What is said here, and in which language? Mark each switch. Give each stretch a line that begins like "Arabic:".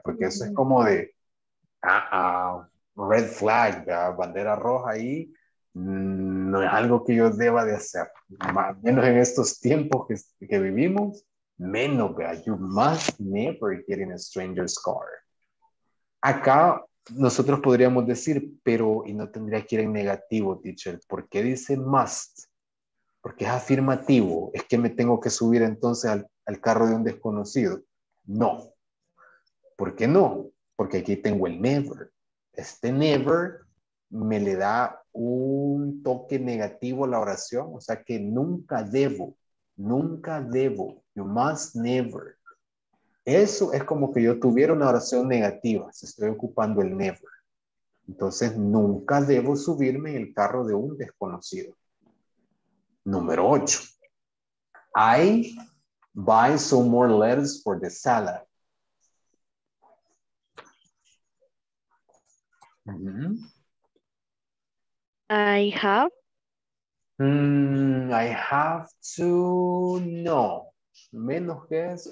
Spanish: Porque eso es como de red flag, ¿verdad? Bandera roja ahí. No es algo que yo deba de hacer. Más, menos en estos tiempos que vivimos. Menos, ¿verdad?
English: You must never get in a stranger's car.
Spanish: Acá nosotros podríamos decir, pero, y no tendría que ir en negativo, teacher. ¿Por qué dice must? Porque es afirmativo. Es que me tengo que subir entonces al carro de un desconocido. No. ¿Por qué no? Porque aquí tengo el never. Este never me le da un toque negativo a la oración. O sea que nunca debo. Nunca debo.
English: You must never.
Spanish: Eso es como que yo tuviera una oración negativa. Si estoy ocupando el never. Entonces nunca debo subirme en el carro de un desconocido. Número 8.
English: I buy some more lettuce for the salad. I have. I have to.
Spanish: No. Menos que eso.